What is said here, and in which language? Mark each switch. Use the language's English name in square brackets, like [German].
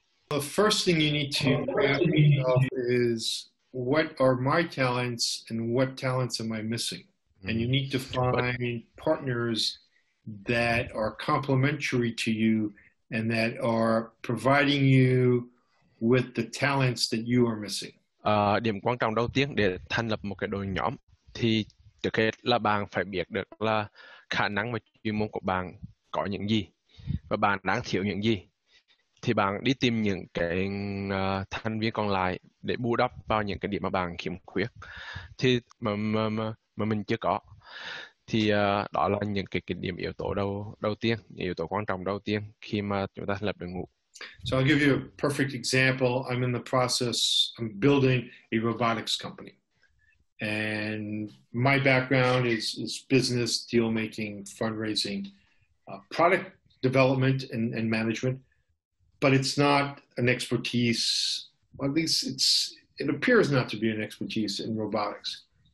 [English] The first thing you need to ask yourself is, what are my talents and what talents am I missing? And you need to find partners that are complementary to you and that are providing you with the talents that you are missing. [Vietnamese] Điểm quan trọng đầu tiên để thành lập một cái đội nhóm thì trước hết là bạn phải biết được là khả năng và chuyên môn của bạn có những gì và bạn đang thiếu những gì. Thì bạn đi tìm những cái thành viên còn lại để bù đắp vào những cái điểm mà bạn khiếm khuyết. Thì mà mình chưa có. Thì đó là những cái kinh nghiệm yếu tố đầu tiên, yếu tố quan trọng đầu tiên khi mà chúng ta lập đội ngũ. [English] So I'll give you a perfect example. I'm in the process, I'm building a robotics company. And my background is business, deal making, fundraising, product development and management. But it's not an expertise, at least it appears not to be an expertise in robotics.